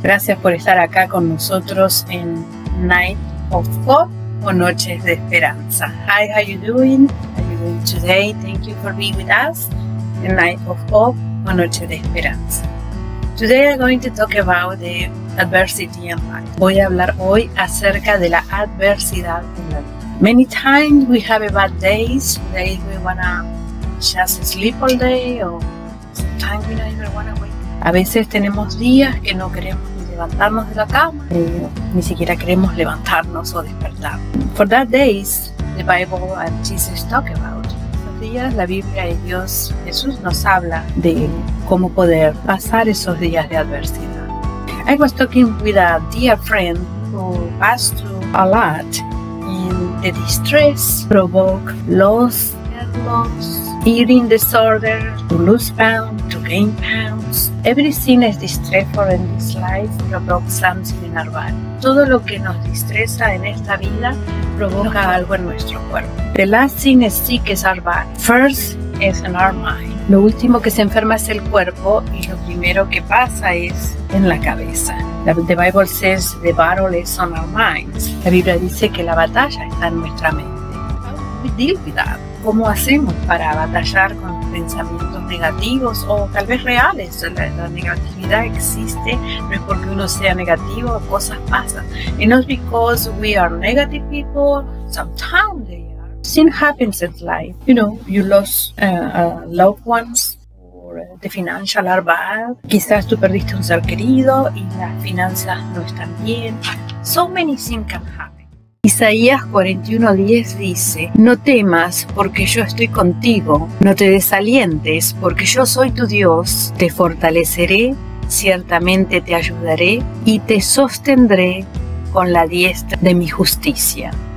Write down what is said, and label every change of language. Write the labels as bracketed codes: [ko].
[es] Gracias por estar acá con nosotros en Night of Hope o Noches de Esperanza. [en] Hi, how are you doing? How are you doing today? Thank you for being with us in Night of Hope o Noche de Esperanza. Today I'm going to talk about the adversity in life. [es] Voy a hablar hoy acerca de la adversidad en la vida. [en] Many times we have a bad days, days we wanna just sleep all day, or sometimes we don't even wanna wake. [es] A veces tenemos días que no queremos ni levantarnos de la cama, ni siquiera queremos levantarnos o despertar. [en] For that days, the Bible and Jesus talk about. [es] Esos días, la Biblia y Dios, Jesús nos habla de cómo poder pasar esos días de adversidad. [en] I was talking with a dear friend who passed through a lot, and the distress provoked loss, hair loss, eating disorder, to lose pounds, to gain pounds. Everything is distressful in this life, provokes something in our body. [es] Todo lo que nos distresa en esta vida provoca algo en nuestro cuerpo. [en] The last thing is sick is our body. First is in our mind. [es] Lo último que se enferma es el cuerpo y lo primero que pasa es en la cabeza. [en] The Bible says the battle is on our minds. [es] La Biblia dice que la batalla está en nuestra mente. [en] How we deal with that? [es] ¿Cómo hacemos para batallar con pensamientos negativos o tal vez reales? La negatividad existe, no es porque uno sea negativo, cosas pasan. [en] And not because we are negative people, sometimes they are. Something happens in life. You know, you lost loved ones, or the financial are bad. [es] Quizás tú perdiste un ser querido y las finanzas no están bien. [en] So many things can happen. [es] Isaías 41:10 dice, no temas porque yo estoy contigo, no te desalientes porque yo soy tu Dios, te fortaleceré, ciertamente te ayudaré y te sostendré con la diestra de mi justicia.